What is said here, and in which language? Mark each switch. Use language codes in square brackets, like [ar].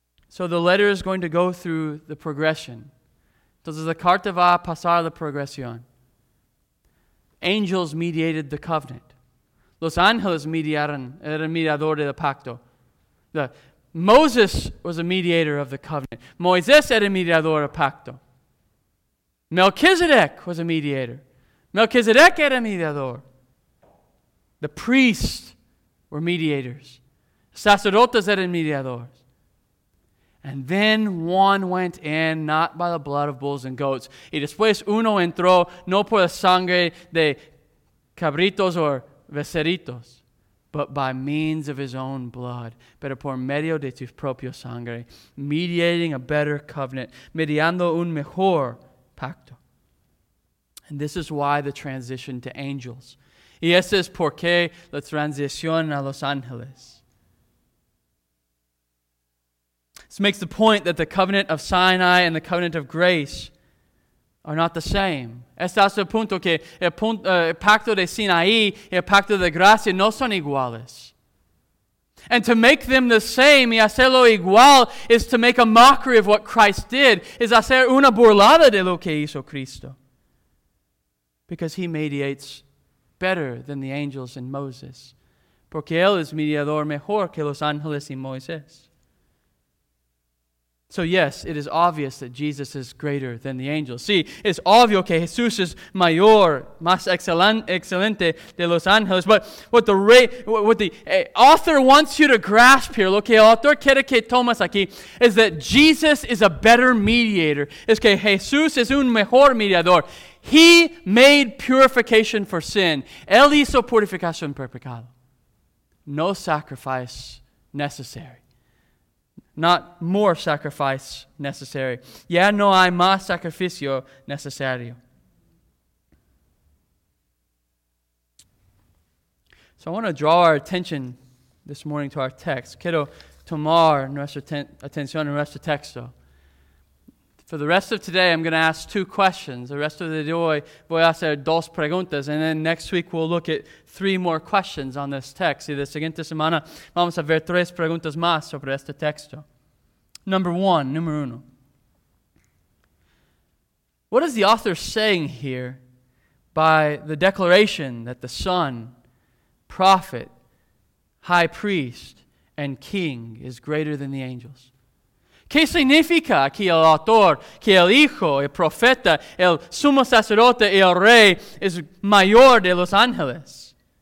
[en] So the letter is going to go through the progression. [es] Entonces, la carta va a pasar la progresión. [en] Angels mediated the covenant. [es] Los ángeles mediaron, eran mediador del pacto. [en] Moses was a mediator of the covenant. [es] Moisés era mediador del pacto. [en] Melchizedek was a mediator. [es] Melchizedek era mediador. [en] The priests were mediators. [es] Sacerdotes eran mediadores. [en] And then one went in, not by the blood of bulls and goats. [es] Y después uno entró, no por la sangre de cabritos or becerritos, [en] but by means of his own blood, [es] pero por medio de tu propio sangre, [en] mediating a better covenant, [es] mediando un mejor pacto. [en] And this is why the transition to angels. [es] Y ese es por qué la transición a los ángeles. [en] This makes the point that the covenant of Sinai and the covenant of grace are not the same. [es] Este hace el punto que el pacto de Sinaí y el pacto de gracia no son iguales. [en] And to make them the same [es] y hacerlo igual [en] is to make a mockery of what Christ did, is [es] hacer una burlada de lo que hizo Cristo. [en] Because he mediates better than the angels and Moses. [es] Porque él es mediador mejor que los ángeles y Moisés. [en] So yes, it is obvious that Jesus is greater than the angels. [es] Sí, es obvio que Jesús es mayor, más excelente de los ángeles. [en] But what the author wants you to grasp here, [es] lo que el autor quiere que tomes aquí, [en] is that Jesus is a better mediator. [es] Es que Jesús es un mejor mediador. [en] He made purification for sin. [es] Él hizo purificación por pecado. [en] No sacrifice necessary. Not more sacrifice necessary. [es] Ya no hay más sacrificio necesario. [en] So I want to draw our attention this morning to our text. [es] Quiero tomar nuestra atención en nuestro texto. [en] For the rest of today, I'm going to ask two questions. The rest of the day, [es] hoy voy a hacer dos preguntas. [en] And then next week, we'll look at three more questions on this text. [es] Y la siguiente semana, vamos a ver tres preguntas más sobre este texto. [en] Number one. What is the author saying here by the declaration that the Son, prophet, high priest, and king is greater than the angels? [es] ¿Qué significa que el autor, que el hijo, el profeta, el sumo sacerdote, y el rey es mayor de los ángeles?